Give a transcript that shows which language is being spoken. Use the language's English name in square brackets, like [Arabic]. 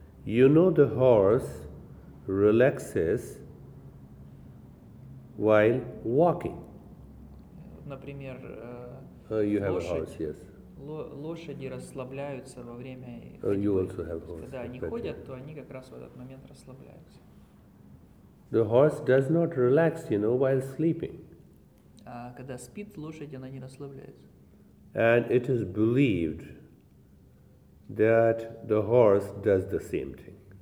[English] You know the horse relaxes while walking. [Russian] Например, [English] you have a horse, yes. [Russian] Лошади расслабляются во время ходьбы. [English] You also have horse. [Russian] Когда они ходят, то они как раз в этот момент расслабляются. [English] The horse does not relax, you know, while sleeping. [Russian] А когда спит лошадь, она не расслабляется. [English] And it is believed that the horse does the same thing.